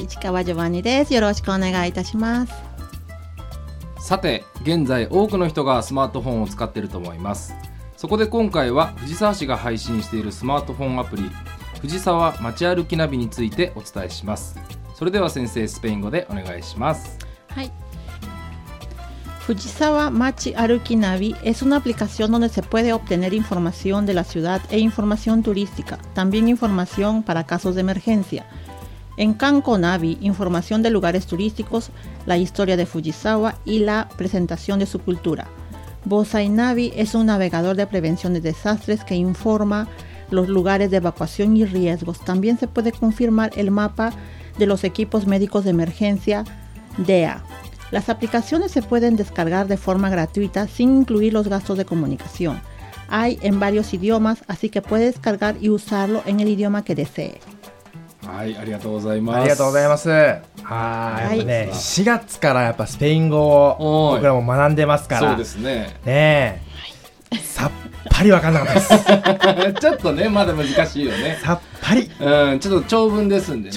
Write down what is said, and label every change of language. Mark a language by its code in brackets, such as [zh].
[ja] 市川ジョバニです。よろしくお願いいたします。さて、現在多くの人がスマートフォンを使っていると思います。そこで今回は藤沢氏が配信しているスマートフォンアプリ藤沢街歩きナビについてお伝えします。それでは先生、スペイン語でお願いします。 [es] はい、藤沢街歩きナビ es una aplicación donde se puede obtener información de la ciudad e información turística, también información para casos de emergencia. En Kanko Navi, información de lugares turísticos, la historia de Fujisawa y la presentación de su cultura. Bosai Navi es un navegador de prevención de desastres que informa los lugares de evacuación y riesgos. También se puede confirmar el mapa de los equipos médicos de emergencia DEA. Las aplicaciones se pueden descargar de forma gratuita sin incluir los gastos de comunicación. Hay en varios idiomas, así que puede descargar y usarlo en el idioma que desee. [ja] はい、ありがとうございます。ありがとうございます。はい、やっぱね、はい、4月からやっぱスペイン語を僕らも学んでますから。そうですね。ねえ、さっぱり分かんなかったです。ちょっとね、まだ難しいよね。さっぱり、うん、ちょっと長文ですんでね。